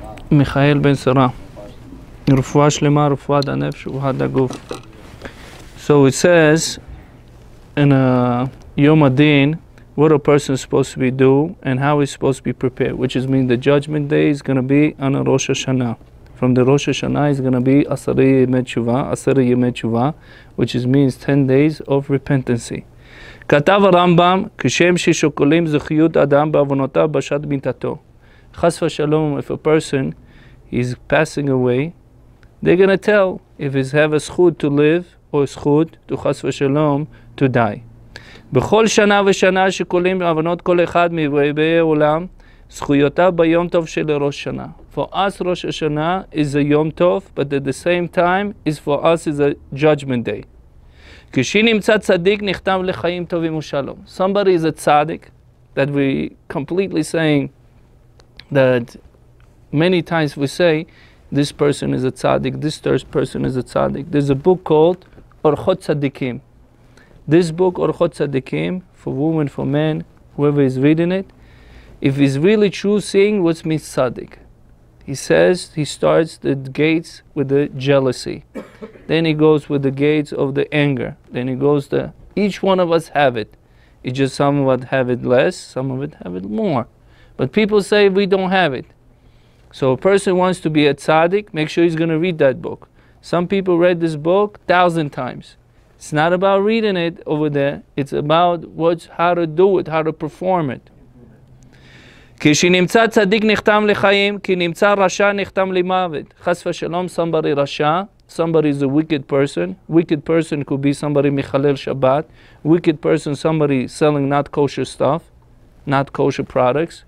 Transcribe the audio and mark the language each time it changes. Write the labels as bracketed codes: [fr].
[he] מיכאל בן שרה. רפואה שלמה, רפואת הנפש, רפואת הגוף. [en] So it says in Yom HaDin, what a person is supposed to be do and how he's supposed to be prepared, which is mean the judgment day is going to be on a Rosh Hashanah. From the Rosh Hashanah is going to be Asari Yimei Tshuva, which is means 10 days of repentancy. [he] כתב הרמב״ם, כשם ששוקלים זכיות אדם בעוונותיו בשעת מיתתו. [en] חס ושלום, if a person is passing away, they're going to tell if he has a זכות to live or a זכות to חס ושלום to die. [he] בכל שנה ושנה שקולים עוונות כל אחד מבאי עולם, זכויותיו ביום טוב של ראש שנה. [en] For us, Rosh Hashanah is a Yom Tov, but at the same time, is for us is a Judgment Day. [he] כשנמצא צדיק נכתב לחיים טובים ושלום. [en] Somebody is a tzaddik, that we completely saying, that many times we say, this person is a tzaddik, this third person is a tzaddik. There's a book called Orchot Tzaddikim. This book, Orchot Tzaddikim, for women, for men, whoever is reading it, if he's really true, seeing what means tzaddik. He says he starts the gates with the jealousy. Then he goes with the gates of the anger. Then he goes to, each one of us have it. It's just some of us have it less, some of it have it more. But people say we don't have it. So a person wants to be a tzaddik, make sure he's going to read that book. Some people read this book 1,000 times. It's not about reading it over there. It's about what's, how to do it, how to perform it. [he] כשנמצא צדיק נחתם לחיים, כי נמצא רשע נחתם למוות. [en] חס ושלום, somebody רשע, somebody is a wicked person. Wicked person could be somebody [he] מחלל שבת. [en] Wicked person, somebody selling not kosher stuff, not kosher products.